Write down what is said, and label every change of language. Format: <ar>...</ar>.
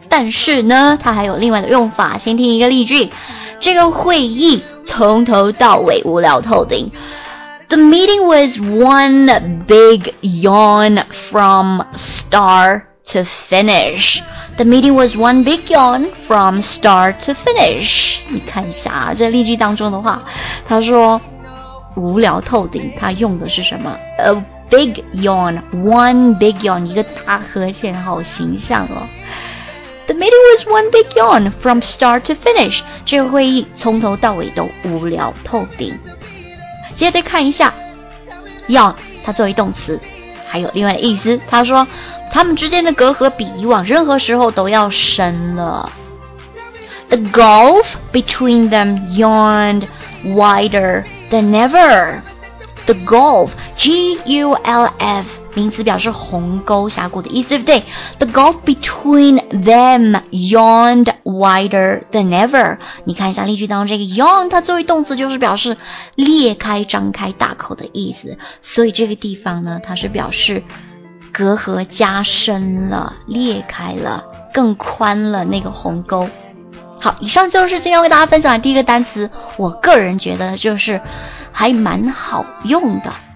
<zh>但是呢，它还有另外的用法。先听一个例句：这个会议从头到尾无聊透顶。</zh> <en>The meeting was one big yawn from start to finish. The meeting was one big yawn from start to finish.</en> <zh>你看一下这例句当中的话，他说无聊透顶，他用的是什么？</zh> <en>A big yawn, one big yawn,</en> <zh>一个大呵欠，好形象哦。</zh> <en>The meeting was one big yawn from start to finish.</en> <zh>这个会议从头到尾都无聊透顶。接着看一下 yawn, 它作为动词还有另外的意思，他说他们之间的隔阂比以往任何时候都要深了。</zh> <en>The gulf between them yawned wider than ever.</en> <zh>The gulf, G-U-L-F, 名词表示鸿沟峡谷的意思，对不对？</zh> <en>The gulf between them yawned wider than ever.</en> <zh>你看一下例句当中这个 yawn, 它作为动词就是表示裂开张开大口的意思，所以这个地方呢，它是表示隔阂加深了，裂开了，更宽了那个鸿沟。好，以上就是今天为大家分享的第一个单词，我个人觉得就是还蛮好用的。</zh>